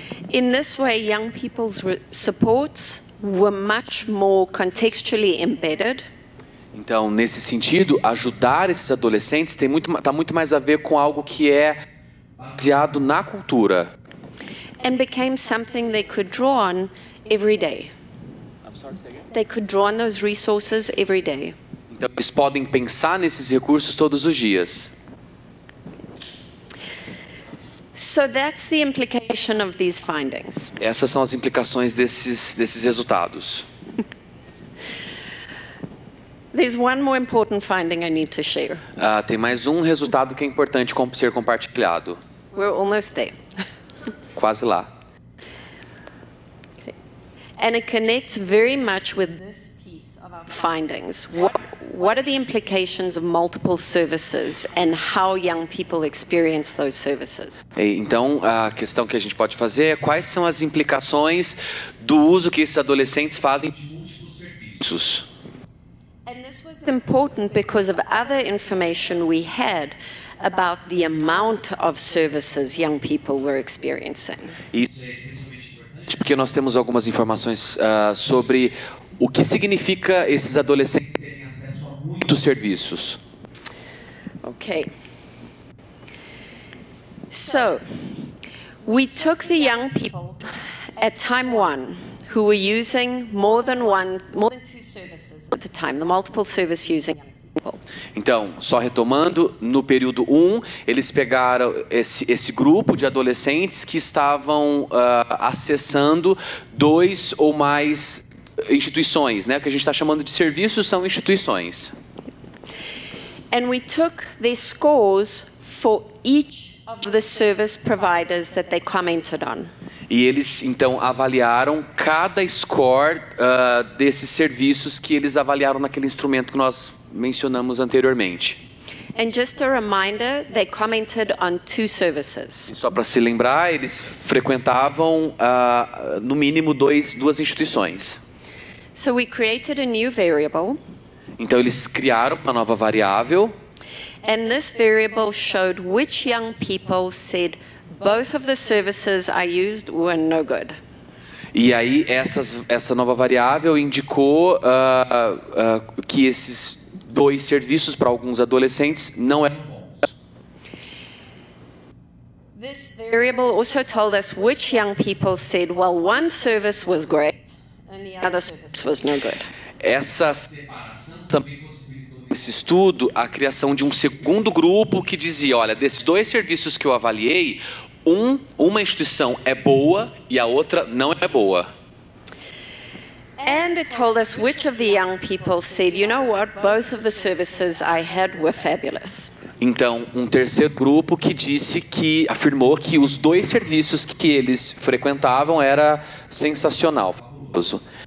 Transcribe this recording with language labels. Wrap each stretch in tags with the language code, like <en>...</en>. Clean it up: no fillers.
<en>In this way, young people's supports were much more contextually embedded.</en> <pt>Então, nesse sentido, ajudar esses adolescentes está muito mais a ver com algo que é baseado na cultura.</pt> <en>And became something they could draw on every day. They could draw on those resources every day.</en> <pt>Então, eles podem pensar nesses recursos todos os dias.</pt> <en>So that's the implication of these findings.</en> <pt>Essas são as implicações desses resultados.</pt> <en>There's one more important finding I need to share.</en> <pt>Tem mais um resultado que é importante ser compartilhado.</pt> <en>We're almost there.</en> <pt>Quase lá.</pt> <en>Okay. And it connects very much with this piece of our findings. What are the implications of multiple services and how young people experience those services?</en> <pt>Então, a questão que a gente pode fazer é quais são as implicações do uso que esses adolescentes fazem de múltiplos serviços.</pt> <en>Important because of other information we had about the amount of services young people were experiencing.</en> <pt>Isso, porque nós temos algumas informações sobre o que significa esses adolescentes terem acesso a muitos serviços.</pt> <en>Okay. So, we took the young people at time one who were using more than two services. At the time, the multiple service using young people.</en> <pt>Então, só retomando, no período 1, eles pegaram esse grupo de adolescentes que estavam acessando dois ou mais instituições, né, que a gente está chamando de serviços, são instituições.</pt> <en>And we took the scores for each of the service providers that they commented on.</en> <pt>E eles, então, avaliaram cada score desses serviços que eles avaliaram naquele instrumento que nós mencionamos anteriormente.</pt> <en>And just a reminder, they commented on two services.</en> <pt>E só para se lembrar, eles frequentavam, no mínimo, duas instituições.</pt> <en>So we created a new variable.</en> <pt>Então, eles criaram uma nova variável.</pt> <en>And this variable showed which young people said both of the services I used were no good.</en> <pt>E aí essa nova variável indicou que esses dois serviços para alguns adolescentes não eram bons.</pt> <en>This variable also told us which young people said, well, one service was great and the other service was no good.</en> <pt>Essa separação também esse estudo, a criação de um segundo grupo que dizia, olha, desses dois serviços que eu avaliei, uma instituição é boa e a outra não é boa.</pt> <en>And it told us which of the young people said, you know what, both of the services I had were fabulous.</en> <pt>Então, um terceiro grupo que disse que afirmou que os dois serviços que eles frequentavam era sensacional, fabuloso.</pt>